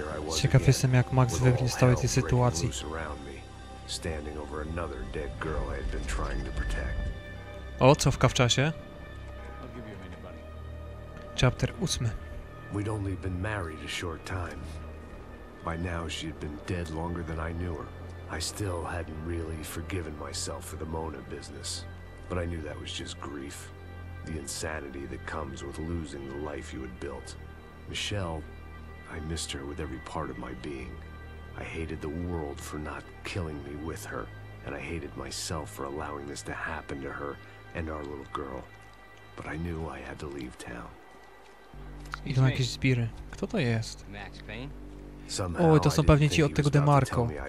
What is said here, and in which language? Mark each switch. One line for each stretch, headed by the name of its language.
Polish: Ciekaw jestem, jak Max wybrnie z całej tej sytuacji.
English: Standing over another dead girl I had been trying to protect.
Polish: O, co w kawczasie?
English: Chapter 8. We'd only been married a short time. By now she had been dead longer than I knew her. I still hadn't really forgiven myself for the Mona business, but I knew that was just grief. The insanity that comes with losing the life you had built. Michelle, I missed her with every part of my being. I hated the world for not killing me with her, and I hated myself for allowing this to happen to her and our little girl. But I knew I had to leave town.
Polish: Idą jakieś zbiry. Kto to jest? Max Payne?
English: Somehow,
Polish: oj, to są pewnie ci od tego DeMarco.